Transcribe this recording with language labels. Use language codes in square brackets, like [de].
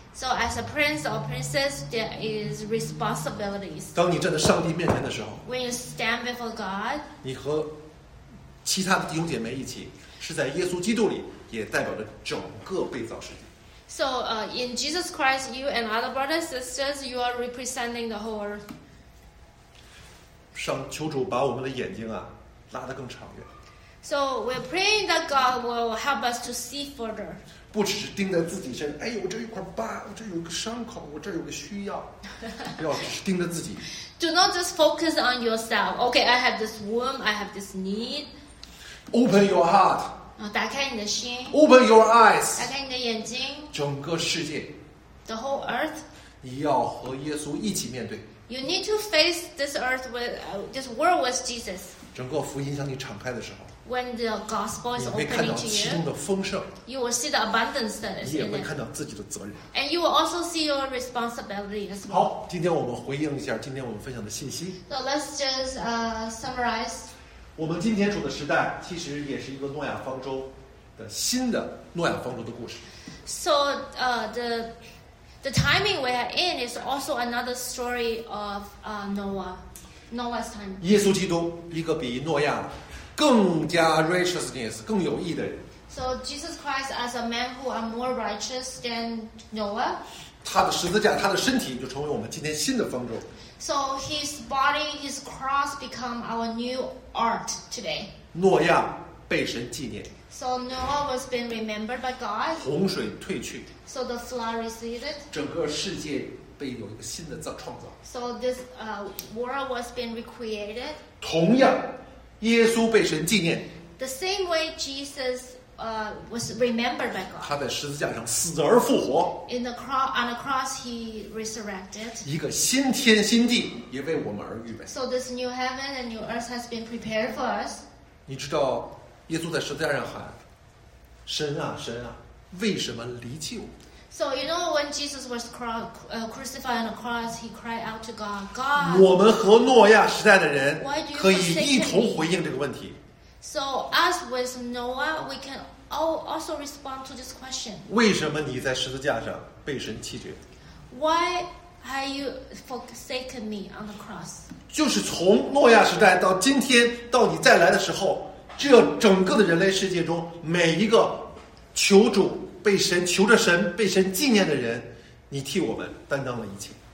[en] So as a prince or princess, there is responsibilities. [zh] 当你站在上帝面前的时候 [en] ，When you stand before God, [zh] 你和其他的弟兄姐妹一起，是在耶稣基督里，也代表着整个被造世界。 [en] So, in Jesus Christ, you and other brothers and sisters, you are representing the whole earth. [zh] 上求主把我们的眼睛啊拉得更长远。 [en] So we're praying that God will help us to see further. [zh] 不只是盯在自己身，哎，我这有块疤，我这有个伤口，我这有个需要，不要只是盯着自己。 [en] Do not just focus on yourself. Okay, I have this womb, I have this need. Open your heart. [zh] 打开你的心。 [en] Open your eyes. [zh] 打开你的眼睛。整个世界。 [en] The whole earth. [zh] 你要和耶稣一起面对。 [en] You need to face this earth with this world with Jesus. [zh] 整个福音向你敞开的时候 [en] ，When the gospel is opening to you, [zh] 你会看到其中的丰盛。 [en] You will see the abundance that is in it. [zh] 你也会看到自己的责任。 [en] And you will also see your responsibility as well. [zh] 好，今天我们回应一下今天我们分享的信息。 [en] So let's just summarize. [zh] 我们今天处的时代其实也是一个诺亚方舟的新的诺亚方舟的故事。 [en] So the timing we are in is also another story of Noah's time. [zh] 耶稣基督，一个比诺亚更加 righteousness 更有义的人。 [en] So Jesus Christ as a man who are more righteous than Noah. [zh] 他的十字架，他的身体就成为我们今天新的方舟。 [en] So his body, his cross become our new art today. [zh] 诺亚被神纪念。 [en] So Noah was being remembered by God. [zh] 洪水退去。 [en] So the flood receded. [zh] 整个世界被有一个新的创造。 [en] So this world was being recreated. [zh] 同样，耶稣被神纪念。 [en] The same way Jesus was remembered by God. [zh] 他在十字架上死而复活。 [en] In the cross, on the cross, he resurrected. [zh] 一个新天新地也为我们而预备。 [en] So this new heaven and new earth has been prepared for us. [zh] 你知道？耶稣在十字架上喊：“神啊，神啊，为什么离弃我？” [en] So you know when Jesus was crucified on the cross, he cried out to God, "God." [zh] 我们和诺亚时代的人可以一同回应这个问题。 [en] So us with Noah, we can also respond to this question. [zh] 为什么你在十字架上被神弃绝 [en] ？Why have you forsaken me on the cross？ [zh] 就是从诺亚时代到今天，到你再来的时候。这整个的人类世界中每一个求主被神求着神被神纪念的人你替我们担当了一切